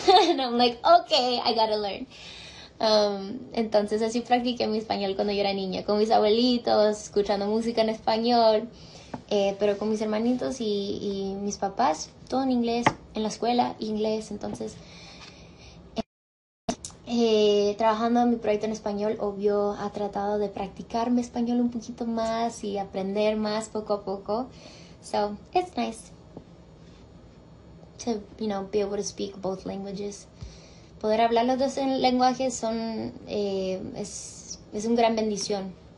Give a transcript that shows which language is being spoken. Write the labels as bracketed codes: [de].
[en] And I'm like, okay, I gotta learn. [es] Entonces así practiqué mi español cuando yo era niña, con mis abuelitos, escuchando música en español, pero con mis hermanitos y mis papás, todo en inglés, en la escuela, inglés. Entonces, trabajando en mi proyecto en español, obvio, ha tratado de practicar mi español un poquito más y aprender más poco a poco. [en] So, it's nice to, you know, be able to speak both languages. [es] Poder hablar los dos lenguajes es un gran bendición.